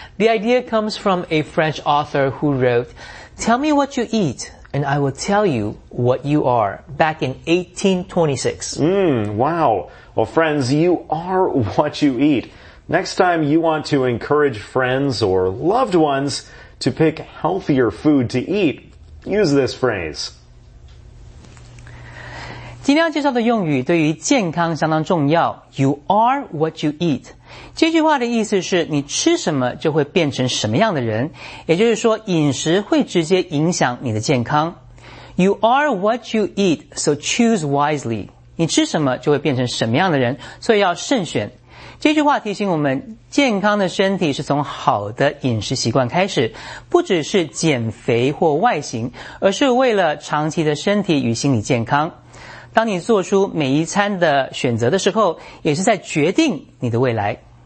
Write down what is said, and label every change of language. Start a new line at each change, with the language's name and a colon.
English: The idea comes from a French author who wrote, "Tell me what you eat, and I will tell you what you are," back in 1826. Wow. Well, friends, you are what you eat. Next time you want to encourage friends or loved ones to pick healthier food to eat, use this phrase.
Chinese: 今天要介绍的用语对于健康相当重要。
English: You are what you eat.
Chinese: 这句话的意思是你吃什么就会变成什么样的人，也就是说饮食会直接影响你的健康。
English: You are what you eat, so choose wisely.
Chinese: 你吃什么就会变成什么样的人，所以要慎选。这句话提醒我们，健康的身体是从好的饮食习惯开始，不只是减肥或外形，而是为了长期的身体与心理健康。当你做出每一餐的选择的时候，也是在决定你的未来。